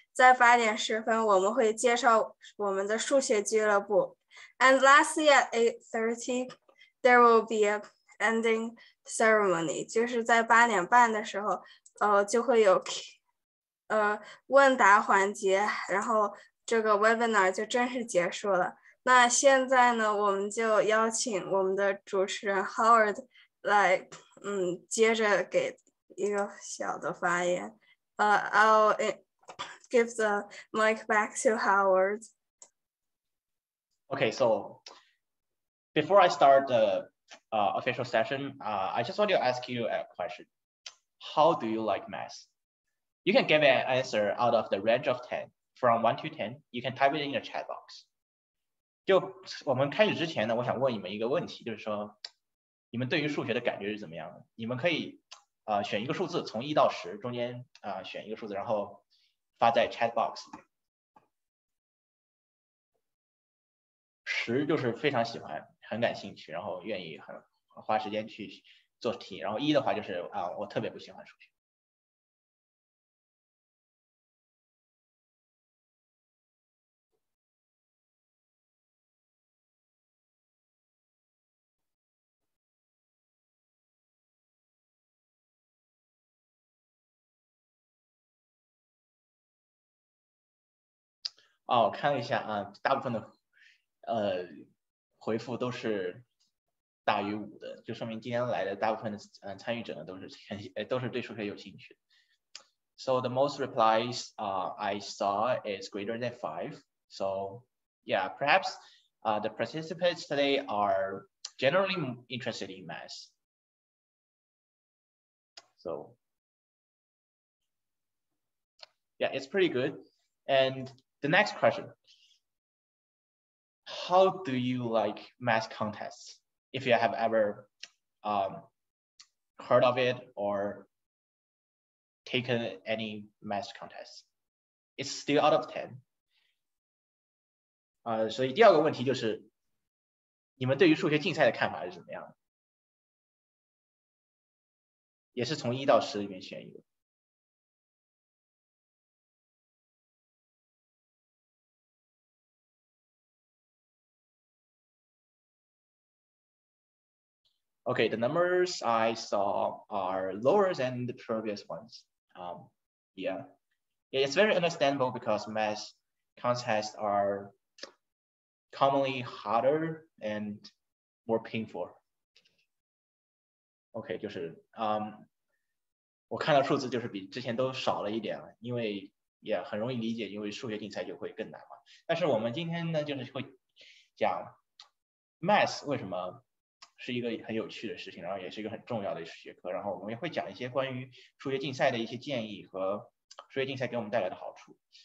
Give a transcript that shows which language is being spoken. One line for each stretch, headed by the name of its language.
Chinese: 在8:10，我们会介绍我们的数学俱乐部。
English: And lastly, at 8:30, there will be an ending ceremony.
Chinese: 就是在8:30的时候，就会有问答环节，然后这个 webinar 就正式结束了。那现在呢，我们就邀请我们的主持人 Howard 来，接着给一个小的发言。
English: I'll give the mic back to Howard. Okay, so before I start the official session, I just want to ask you a question. How do you like math? You can give an answer out of the range of 10, from 1 to 10, you can type it in the chat box.
Chinese: 就我们开始之前呢，我想问你们一个问题，就是说你们对于数学的感觉是怎么样的？你们可以选一个数字，从1到10中间选一个数字，然后发在 chat box。 10就是非常喜欢，很感兴趣，然后愿意很花时间去做题，然后1的话就是我特别不喜欢数学。哦，看了一下啊，大部分的回复都是大于5的，就说明今天来的大部分的参与者呢都是对数学有兴趣。
English: So the most replies I saw is greater than 5. So yeah, perhaps the participants today are generally interested in math. So yeah, it's pretty good. And the next question, how do you like math contests? If you have ever heard of it or taken any math contests, it's still out of 10.
Chinese: 所以第二个问题就是，你们对于数学竞赛的看法是怎么样？也是从1到10里面选一个。
English: Okay, the numbers I saw are lower than the previous ones. Yeah, it's very understandable because math contests are commonly harder and more painful.
Chinese: Okay, 就是我看到数字就是比之前都少了一点，因为很容易理解，因为数学竞赛就会更难嘛。但是我们今天呢，就是会讲 math 为什么是一个很有趣的事情，然后也是一个很重要的学科，然后我们也会讲一些关于数学竞赛的一些建议和数学竞赛给我们带来的好处。